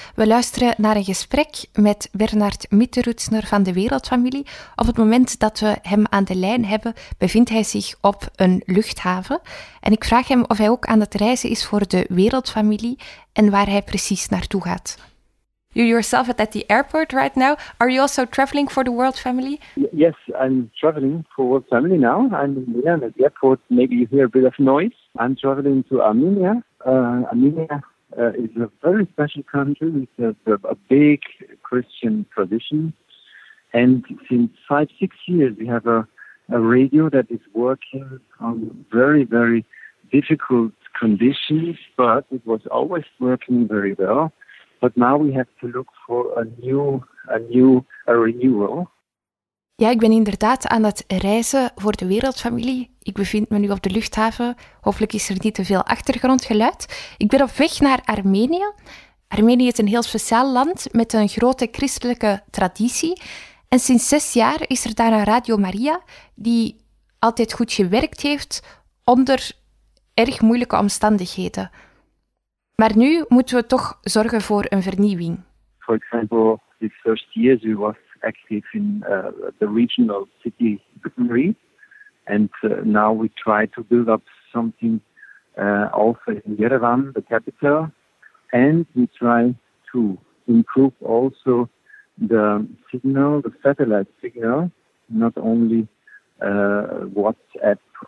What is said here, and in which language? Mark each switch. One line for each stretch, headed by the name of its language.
Dutch: We luisteren naar een gesprek met Bernard Mitterutsner van de Wereldfamilie. Op het moment dat we hem aan de lijn hebben, bevindt hij zich op een luchthaven. En ik vraag hem of hij ook aan het reizen is voor de Wereldfamilie en waar hij precies naartoe gaat.
English: You yourself at the airport right now. Are you also traveling for the World Family? Yes, I'm traveling for World Family now. I'm at the airport. Maybe you hear a bit of noise. I'm traveling to Armenia. Armenia is a very special country with a big Christian tradition. And since 5-6 years, we have a radio that is working on very, very difficult conditions, but it was always working very well. But now we have to look for a renewal.
Dutch: Ja, ik ben inderdaad aan het reizen voor de Wereldfamilie. Ik bevind me nu op de luchthaven. Hopelijk is er niet te veel achtergrondgeluid. Ik ben op weg naar Armenië. Armenië is een heel speciaal land met een grote christelijke traditie. En sinds 6 jaar is er daar een Radio Maria die altijd goed gewerkt heeft onder erg moeilijke omstandigheden. Maar nu moeten we toch zorgen voor een vernieuwing.
English: For example, the first year we was active in the regional city Greece, and now we try to build up something also in Yerevan, the capital, and we try to improve also the signal, the satellite signal, not only WhatsApp.